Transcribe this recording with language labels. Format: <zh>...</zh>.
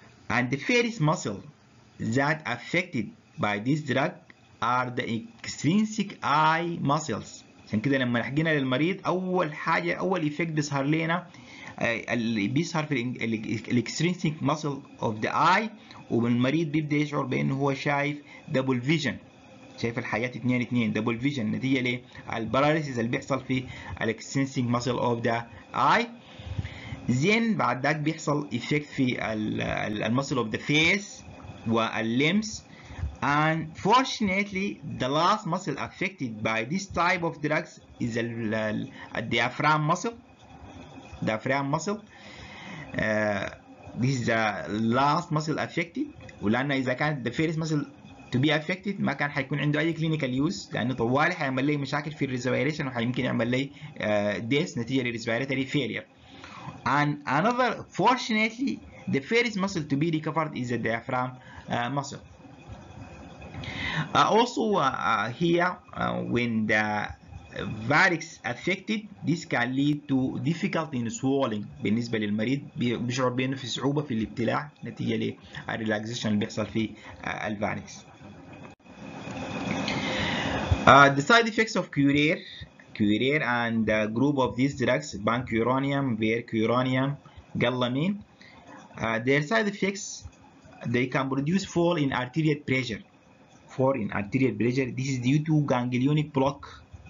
<en>And the various muscles that affected by this drug are the extrinsic eye muscles.</en> <ar>عشان كده لما نحكينا للمريض أول حاجة أول effect بيظهر لنا اللي بيظهر في الاكسترينسيك ماسل اوف ذا اي، والمريض بيبدا يشعر بانه هو شايف دبل فيجن، شايف الحياه 2-2 دبل فيجن، نتيجه للباراليسيس اللي بيحصل في الاكسترينسيك ماسل اوف ذا اي. زين بعد ذاك بيحصل افكت في الماسل اوف ذا فيس واللمس.</ar> <en>And fortunately the last muscle affected by this type of drugs is الديافرام muscle. Diaphragm muscle. This is the last muscle affected.</en> <ar>ولأن إذا كان</ar> <en>the first muscle to be affected</en> <ar>ما كان حيكون عنده أي clinical use، لأنه طوالي حيعمل لي مشاكل في respiration وحيمكن يعمل لي death نتيجة respiratory failure.</ar> <en>And another fortunately the first muscle to be recovered is the diaphragm muscle. Also here when the varix affected this can lead to difficulty in swallowing.</en> <ar>بالنسبة للمريض بيشعر بأنه في صعوبة في الابتلاع نتيجة للريلاكزيشن اللي بيحصل في الفارينكس.</ar> <en>The side effects of curare and a group of these drugs pancuronium vecuronium gallamine. Their side effects they can produce fall in arterial pressure. Fall in arterial pressure this is due to ganglionic block.</en>